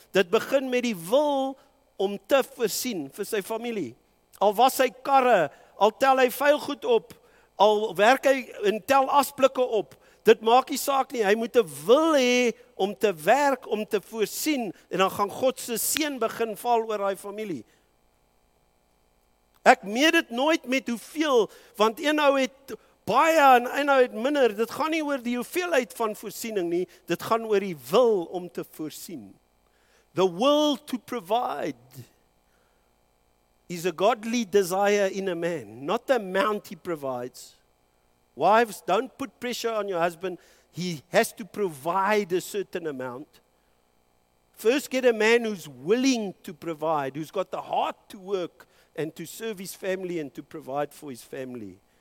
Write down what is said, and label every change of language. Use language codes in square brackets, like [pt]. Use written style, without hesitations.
[af] Dit begin met die wil om te voorsien vir sy familie. Al was hy karre, al tel hy vuilgoed op, al werk hy en tel asblikke op, dit maak nie saak nie, hy moet 'n wil hê om te werk, om te voorsien, en dan gaan God se seën begin val oor hy familie. Ek meet dit nooit met hoeveel, want een ou het baie en een ou het minder, dit gaan nie oor die hoeveelheid van voorsiening nie, dit gaan oor die wil om te voorsien. [en] The will to provide is a godly desire in a man, not the amount he provides. Wives, don't put pressure on your husband. He has to provide a certain amount. First, get a man who's willing to provide, who's got the heart to work and to serve his family and to provide for his family.